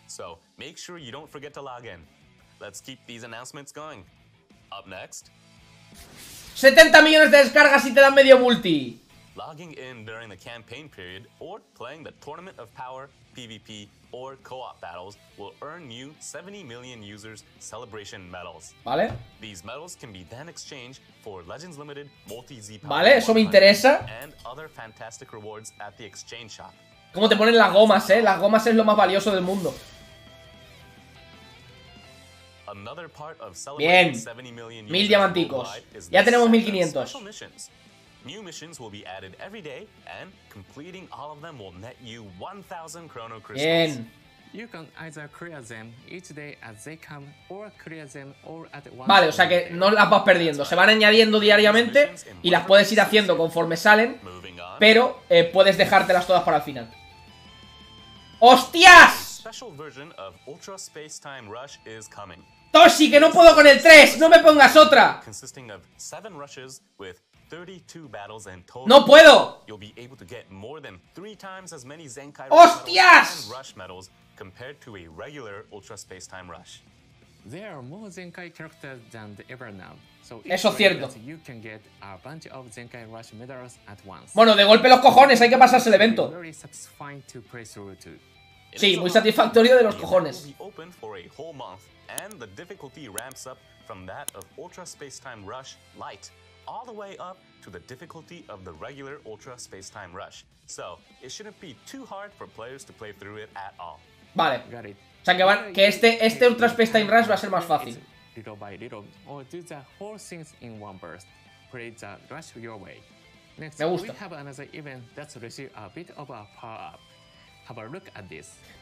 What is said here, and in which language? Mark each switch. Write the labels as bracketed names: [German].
[English] So, make sure you don't forget to log in. Let's keep these announcements going. Up next. [Spanish] 70 millones de descargas y te dan medio multi. [English] Logging in during the campaign period or playing the tournament of power, PvP or co-op battles will earn you 70 million users celebration medals. [Spanish] ¿Vale? [English] These medals can be then exchanged for Legends Limited multi-Z power. [Spanish] ¿Vale? Eso me interesa. [English] And other fantastic rewards at the exchange shop. [Spanish] ¿Cómo te ponen las gomas, eh? Las gomas es lo más valioso del mundo. A Bien, 1000 diamanticos. Ya tenemos 1500. [English] New missions will be added every day, and completing all of them will net you 1,000 chrono crystals. [Spanish] Bien. [English] You can either clear them each day as they come, or clear them all at once. [Spanish] Vale, o sea que no las vas perdiendo. Se van añadiendo diariamente y las puedes ir haciendo conforme salen, pero puedes dejártelas todas para el final. ¡Hostias! [English] Special version of Ultra Space Time Rush is coming. [Spanish] ¡Toshi, que no puedo con el 3! ¡No me pongas otra! [English] Consisting of 7 rushes with 32 battles in total. [Spanish] ¡No puedo! [English] You'll be able to get more than 3 times as many Zenkai [Spanish] ¡Hostias! [English] Rush medals compared to a regular Ultra Space Time Rush. There are more Zenkai characters than ever now. So [Spanish] eso es cierto. [English] You can get a bunch of Zenkai Rush medals at once. [Spanish] Bueno, de golpe los cojones, hay que pasarse el evento. [English] Very satisfying to play through too. [Spanish] Sí, muy satisfactorio de los cojones. [English] Open for a whole month, and the difficulty ramps up from that of Ultra Space Time Rush Lite, all the way up to the difficulty of the regular Ultra Space Time Rush. So it shouldn't be too hard for players to play through it at all. [Spanish] Vale. [English] Got it. [Spanish] O sea que, van, que este Ultra Space Time Rush va a ser más fácil. [English] Little by little, or do the whole things in one burst. Play the rush your way. Next, [Spanish] me gusta. [English] We have another event that's received a bit of a power up. Have a look at this.